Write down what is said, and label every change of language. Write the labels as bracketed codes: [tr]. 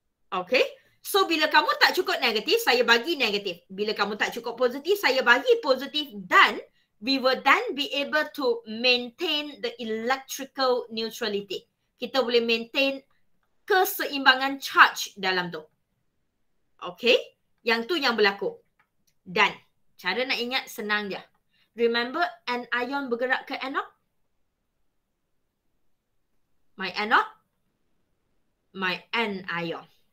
[ms] Okay, so bila kamu tak cukup negatif, saya bagi negatif. Bila kamu tak cukup positif, saya bagi positif. [en] Dan we will then be able to maintain the electrical neutrality. [ms] Kita boleh maintain keseimbangan charge dalam tu. Okay? Yang tu yang berlaku. Dan cara nak ingat senang je. Remember anion bergerak ke anod? [en] My anod? My anion.